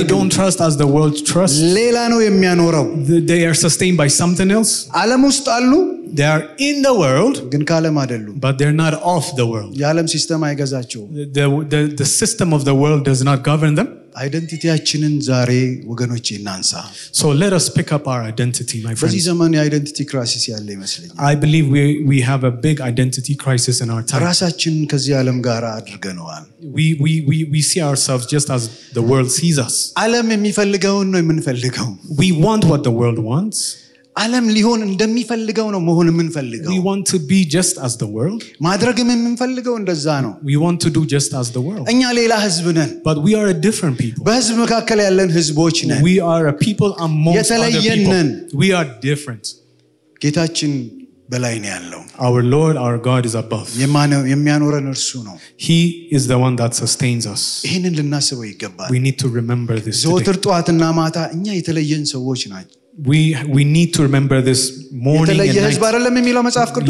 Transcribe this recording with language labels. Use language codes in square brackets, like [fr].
[en] They don't trust as the world trusts. [am] ሌላ ነው የሚያኖረው. [en] They are sustained by something else. [am] ዓለም ውስጥ አሉ. [en] They are in the world, [am] ግን ከዓለም አይደሉም. [en] But they're not of the world. [am] የዓለም ሲስተም አይገዛቸውም. [en] The system of the world does not govern them. [am] አይደንቲቲያችንን ዛሬ ወገኖች እናንሳ. [en] So let us pick up our identity, my friends. [am] በዚህ ዘመን የአይደንቲቲ ክራይሲስ ያለ ይመስለኛል. [en] I believe we have a big identity crisis in our time. [am] ራሳችንን ከዚህ ዓለም ጋር አድርገነዋል. [en] We see ourselves just as the world sees us. [am] ዓለም የሚፈልገውን ነው የምንፈልገው. [en] We want what the world wants. [am] ዓለም ሊሆን እንደሚፈልገው ነው መሆን የምንፈልገው. [en] We want to be just as the world. [am] ማድረግም የምንፈልገው እንደዛ ነው. [en] We want to do just as the world. [am] እኛ ሌላ ህዝብ ነን. [en] But we are a different people. [am] በህዝብ መካከለ ያለን ህዝቦች ነን. [en] We are a people amongst other people. [am] የተለየነን. [en] We are different. [am] ጌታችን በላይ ነው ያለው. [en] Our Lord, our God is above. [am] የሚያኖረን እርሱ ነው. [en] He is the one that sustains us. [am] ይሄንን ልናስበው ይገባል. [en] We need to remember this. [am] ዘወትር ጧትና ማታ እኛ የተለየን ሰዎች ናቸው. [en] We need to remember this morning and night.